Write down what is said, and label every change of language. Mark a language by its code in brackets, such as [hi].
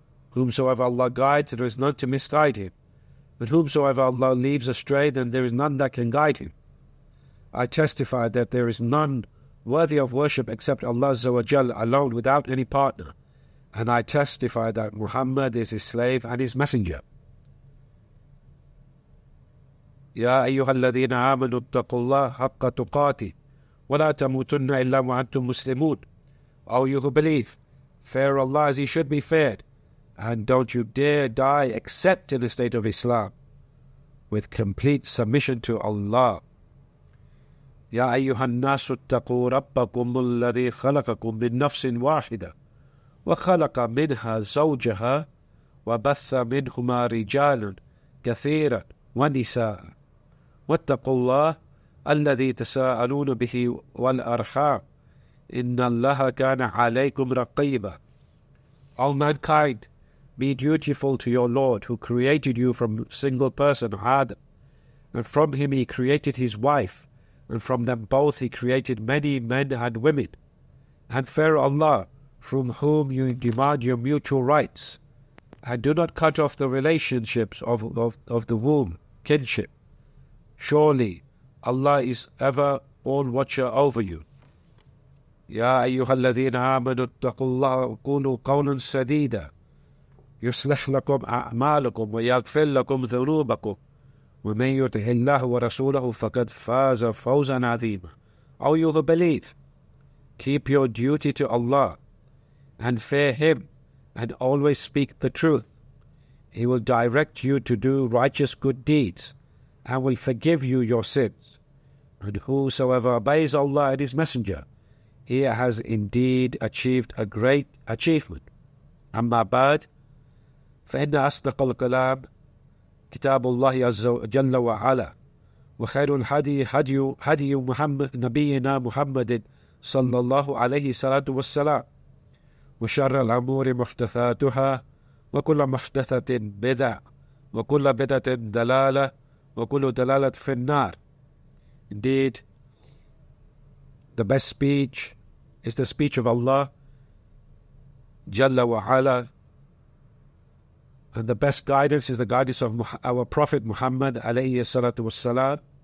[en] Whomsoever Allah guides, there is none to misguide him. But whomsoever Allah leaves astray, then there is none that can guide him. I testify that there is none worthy of worship except Allah Azza wa Jal alone, without any partner. And I testify that Muhammad is his slave and his messenger. [ar] يا أيها الذين آمنوا اتقوا الله حق تقاته ولا تموتن إلا وأنتم مسلمون. [en] Oh, you who believe, fear Allah as He should be feared, and don't you dare die except in the state of Islam, with complete submission to Allah. [ar] يا أيها الناس اتقوا ربكم الذي خلقكم من نفس واحدة وخلق منها زوجها وبث منهما رجالا كثيرا ونساء واتقوا الله الذي تساءلون به والأرحام إن الله كان عليكم رقيبا. [en] All mankind, be dutiful to your Lord who created you from a single person, Adam, and from him he created his wife, and from them both he created many men and women. And fear Allah, from whom you demand your mutual rights, and do not cut off the relationships of the womb, kinship. Surely Allah is ever on watcher over you. [ar] يا أيها الذين آمنوا اتقوا الله وقولوا قولا سديدا يصلح لكم أعمالكم ويغفر لكم ذنوبكم ومن يطع الله ورسوله فقد فاز فوزا عظيما. [en] Oh, you who believe, keep your duty to Allah and fear Him and always speak the truth. He will direct you to do righteous good deeds and will forgive you your sins. And whosoever obeys Allah and His Messenger, he has indeed achieved a great achievement. [ar] أما بعد فإن أصدق الكلام كتاب الله عز وجل وعلا وخير الهدي هدي محمد نبينا محمد صلى الله عليه وسلم وشر الأمور محدثاتها وكل محدثة بدعة وكل بدعة دلالة وكل دلالة في النار. [en] Indeed, the best speech is the speech of Allah Jalla wa Ala, and the best guidance is the guidance of our Prophet Muhammad alayhi salatu wassalam.